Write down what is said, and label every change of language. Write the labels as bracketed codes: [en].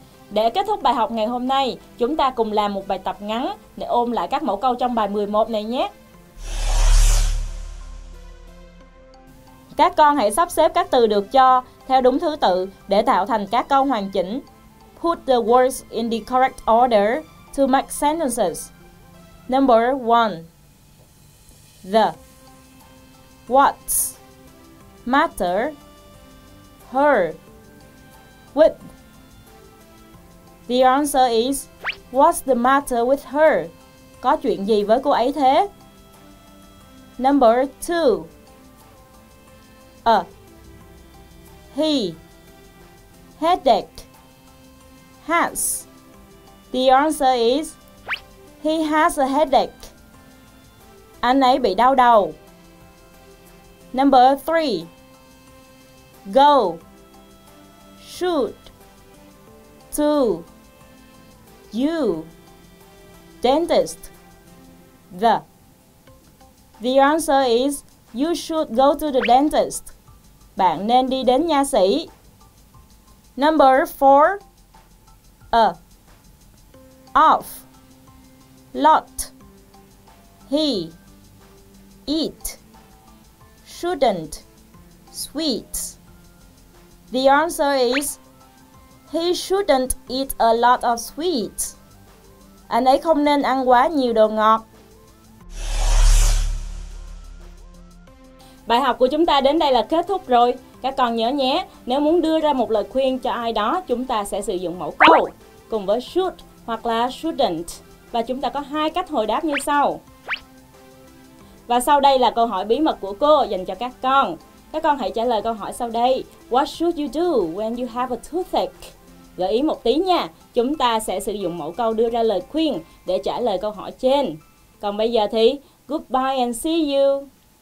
[vi] Để kết thúc bài học ngày hôm nay, chúng ta cùng làm một bài tập ngắn để ôm lại các mẫu câu trong bài 11 này nhé. Các con hãy sắp xếp các từ được cho theo đúng thứ tự để tạo thành các câu hoàn chỉnh. [en] Put the words in the correct order to make sentences. Number 1. The. What. Matter. Her. With. The answer is, what's the matter with her? [vi] Có chuyện gì với cô ấy thế? [en] Number 2. He. Headache. Has. The answer is, he has a headache. [vi] Anh ấy bị đau đầu. [en] Number 3. Go. Shoot. To. You. D. dentist? The answer is you should go to the dentist. [vi] Bạn nên đi đến nha sĩ. [en] Number 4. A. Of. Lot. He. It. Shouldn't. Sweets. The answer is he shouldn't eat a lot of sweets. [vi] Anh ấy không nên ăn quá nhiều đồ ngọt. Bài học của chúng ta đến đây là kết thúc rồi. Các con nhớ nhé, nếu muốn đưa ra một lời khuyên cho ai đó, chúng ta sẽ sử dụng mẫu câu cùng với should hoặc là shouldn't. Và chúng ta có hai cách hồi đáp như sau. Và sau đây là câu hỏi bí mật của cô dành cho các con. Các con hãy trả lời câu hỏi sau đây. [en] What should you do when you have a toothache? [vi] Gợi ý một tí nha, chúng ta sẽ sử dụng mẫu câu đưa ra lời khuyên để trả lời câu hỏi trên. Còn bây giờ thì [en] goodbye and see you.